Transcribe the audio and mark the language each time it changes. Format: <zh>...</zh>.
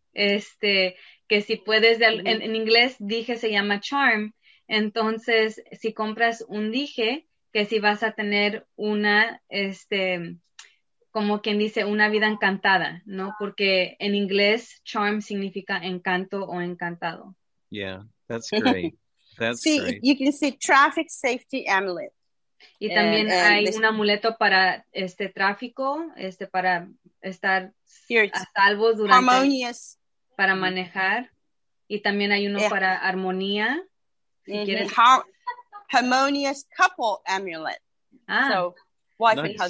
<es>este, que si puedes, en inglés dije se llama charm. Entonces, si compras un dije, que si vas a tener una, este, como quien dice, una vida encantada, ¿no? Porque en inglés, charm significa encanto o encantado.</es> <en>Yeah, that's great. That's see, great. You can see traffic safety amulet.</en> <es>Y también and hay un amuleto para este tráfico, este, para estar a salvo durante,</es> <en>harmonious.</en> <es>Para manejar. Y también hay uno para armonía. Si</es> <en>harmonious couple amulet. So, wife and husband.</en>